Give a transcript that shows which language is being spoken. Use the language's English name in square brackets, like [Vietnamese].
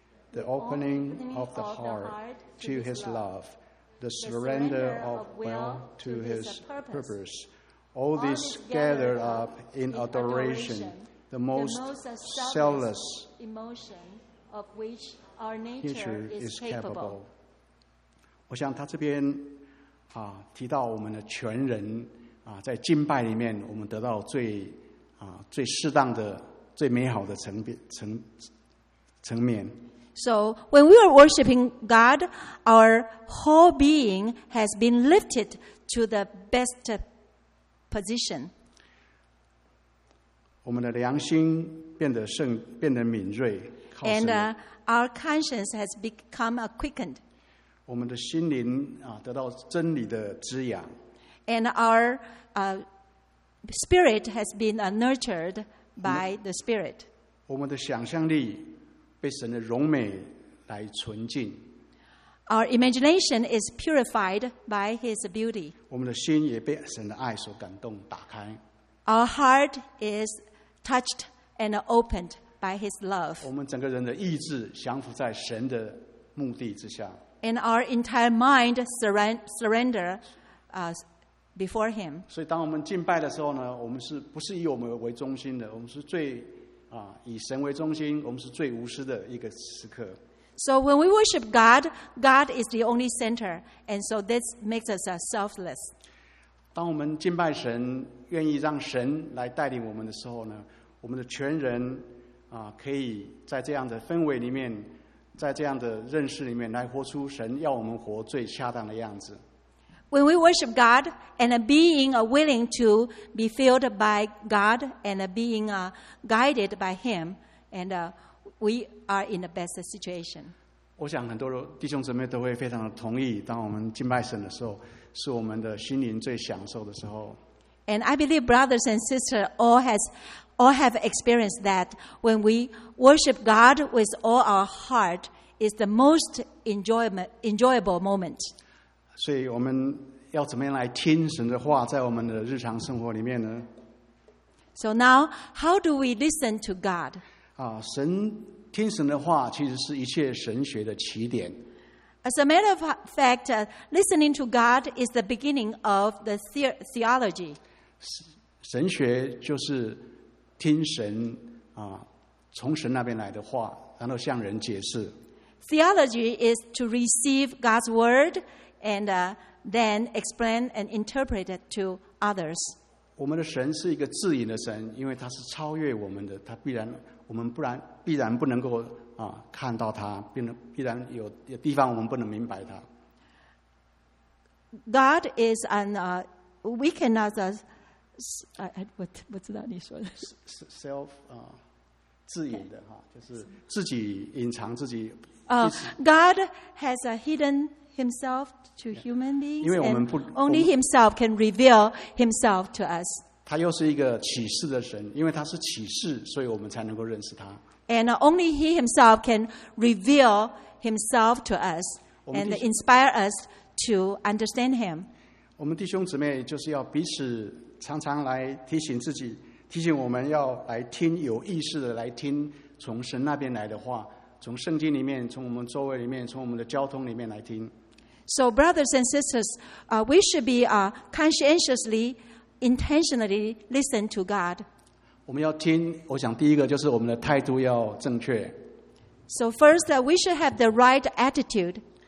[English] The opening of the heart to His love, the surrender of will to His purpose, all this gathered up in adoration, the most selfless emotion of which our nature is capable. [Chinese] 我想他这边提到我们的全人在敬拜里面，我们得到最适当的、最美好的层面。 [English] So when we are worshiping God, our whole being has been lifted to the best position. [Chinese] 我们的良心变得敏锐。 [English] And our conscience has become quickened. [Chinese] 我们的心灵得到真理的滋养。 [English] And our spirit has been nurtured by the Spirit. [Chinese] 我们的想象力被神的荣美来纯净。 [English] Our imagination is purified by His beauty. [Chinese] 我们的心也被神的爱所感动打开。 [English] Our heart is touched and opened by His love. [Chinese] 我们整个人的意志降服在神的目的之下。 [English] And our entire mind surrender before Him. [Chinese] 所以当我们敬拜的时候呢，我们是不是以我们为中心的，我们是最以神为中心，我们是最无私的一个时刻。 [English] So when we worship God, God is the only center, and so this makes us selfless. [Chinese] 当我们敬拜神，愿意让神来带领我们的时候呢，我们的全人可以在这样的氛围里面，在这样的认识里面，来活出神要我们活最恰当的样子。 [English] When we worship God and being willing to be filled by God and being guided by Him, and we are in the best situation. [Chinese] 我想很多弟兄姊妹都会非常的同意，当我们敬拜神的时候，是我们的心灵最享受的时候。 [English] And I believe brothers and sisters all have experienced that when we worship God with all our heart is the most enjoyable moment. [Chinese] 所以我们要怎么样来听神的话在我们的日常生活里面呢？ [English] So now, how do we listen to God? [Chinese] 神听神的话其实是一切神学的起点。 [English] As a matter of fact, listening to God is the beginning of the theology. [Chinese] 神学就是听神从神那边来的话，然后向人解释。 [English] Theology is to receive God's word,and then explain and interpret it to others. [Chinese] 我们的神是一个自隐的神，因为他是超越我们的，他必然我们不然必然不能够看到他，必然有地方我们不能明白他。 [English] God is an we cannot what's that [Chinese] 你说的 self 自隐的就是自己隐藏自己。 [English] God has a hidden. Himself to human beings, [Chinese] 因为我们不 [English] and only Himself can reveal Himself to us. [Chinese] 他又是一个启示的神，因为他是启示，所以我们才能够认识他。 [English] And only He Himself can reveal Himself to us. and inspire us to understand him. [Chinese] 我们弟兄姊妹就是要彼此常常来提醒自己，提醒我们要来听，有意识的来听从神那边来的话，从圣经里面，从我们周围里面，从我们的交通里面来听。 [English] So brothers and sisters, we should be conscientiously, intentionally listen to God. [Chinese] 我们要听，我想第一个就是我们的态度要正确。 [English] So first, we should have the right attitude.